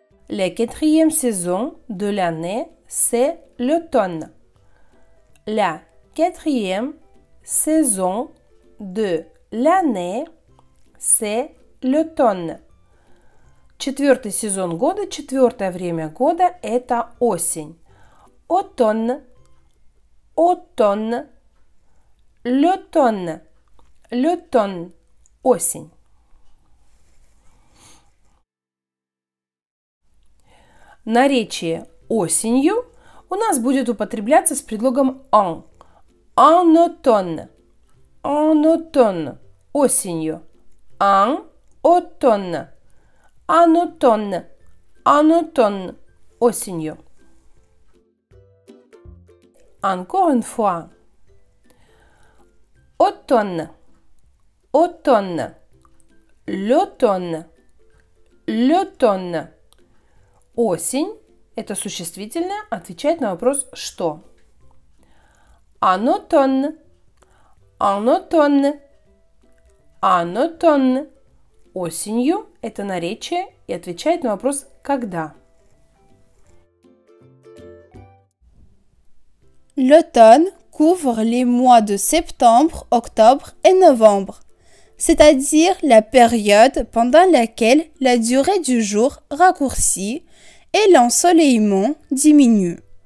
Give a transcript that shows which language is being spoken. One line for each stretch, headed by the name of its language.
French: La quatrième saison de l'année, c'est l'automne. La quatrième saison de l'année, c'est l'automne.
Russian: Четвертый сезон года, четвертое время года, это осень.
French: Automne, automne, l'automne. L'automne,
Russian: осень. Наречие осенью у нас будет употребляться с предлогом en.
French: En automne, en automne,
Russian: осенью.
French: En automne, en automne, en automne,
Russian: осенью.
French: Encore une fois. Automne. Automne, l'automne, l'automne.
Russian: Осень – это существительное, отвечает на вопрос «что?».
French: En automne, en automne, en automne.
Russian: Осенью – это наречие и отвечает на вопрос «когда?».
French: L'automne couvre les mois de septembre, octobre et novembre. C'est-à-dire la période pendant laquelle la durée du jour raccourcit et l'ensoleillement diminue.